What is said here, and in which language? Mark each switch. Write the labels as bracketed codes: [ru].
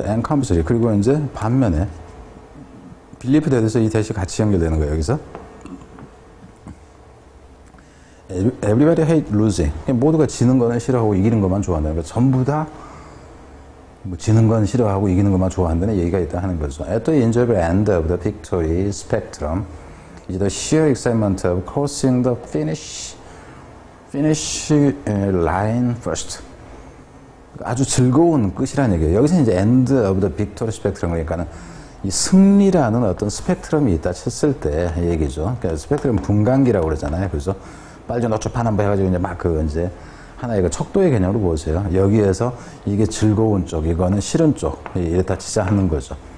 [en] And compulsory. [ko] 그리고 이제 반면에 belief 대해서 이 대시 같이 연결되는 거예요. 여기서. [en] Everybody hates losing. [ko] 모두가 지는 거는 싫어하고 이기는 것만 좋아한다는 거예요. 전부 다 뭐 지는 건 싫어하고 이기는 것만 좋아한다는 얘기가 있다 하는 거죠. [en] At the enjoyable end of the victory spectrum is the sheer excitement of crossing the finish line first. [ko] 아주 즐거운 끝이라는 얘기예요. 여기서 이제 [en] end of the victory spectrum [ko] 그러니까는 이 승리라는 어떤 스펙트럼이 있다 쳤을 때 얘기죠. 그러니까 스펙트럼 분간기라고 그러잖아요. 그래서 빨리 노초판 한번 해가지고 이제 막 그 이제 하나의 척도의 개념으로 보세요. 여기에서 이게 즐거운 쪽, 이거는 싫은 쪽, 이랬다 치자 하는 거죠.